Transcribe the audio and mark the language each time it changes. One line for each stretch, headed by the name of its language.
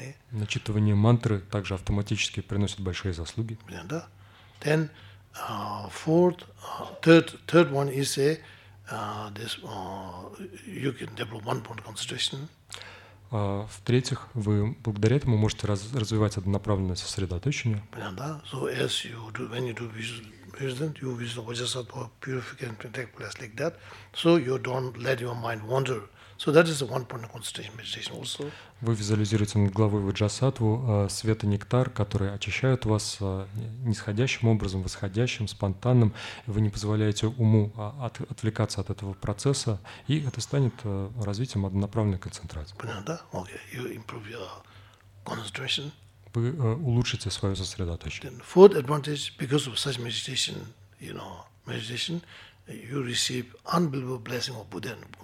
Russian: Начитывание мантры также автоматически приносит большие заслуги.
English: Then third one is a this you can develop one point concentration.
Russian: В-третьих, вы благодаря этому можете развивать однонаправленное сосредоточение.
English: So as you do, when you do present, you visit Vajrasattva, purification, and take place like that. So you don't let your mind wander. So that is the one point of concentration meditation also.
Russian: Вы визуализируете над головой Ваджасаттву свет и нектар, которые очищают вас нисходящим образом, восходящим, спонтанным. Вы не позволяете уму отвлекаться от этого процесса, и это станет развитием однонаправленной концентрации. Понятно, да?
English: Okay. You improve your concentration.
Russian: Вы улучшите свое сосредоточение.
English: Then fourth advantage, because of such meditation, you know, meditation, you receive unbelievable blessing of Buddha.